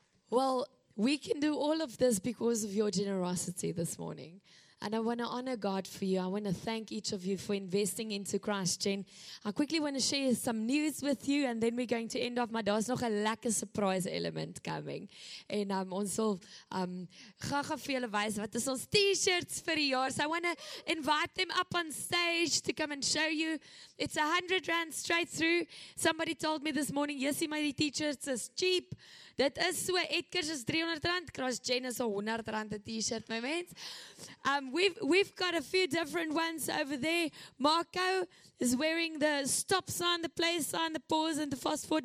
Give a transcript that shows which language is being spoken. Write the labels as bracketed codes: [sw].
[en] Well, we can do all of this because of your generosity this morning. And I want to honor God for you. I want to thank each of you for investing into Christ Gen. I quickly want to share some news with you and then we're going to end off. [af] Maar daar's nog 'n lekker [en] surprise element coming. [af] En ons sal gaga vir julle wys wat is ons T-shirts vir die jaar. [en] So I want to invite them up on stage to come and show you. It's R100 straight through. Somebody told me this morning, "Yesie, my T-shirts is cheap." [af] Dit is so, Edgars is R300, Cross Gen is R100 T-shirt, my mens. [en] We've got a few different ones over there. Marco is wearing the stop sign, the play sign, the pause and the fast forward.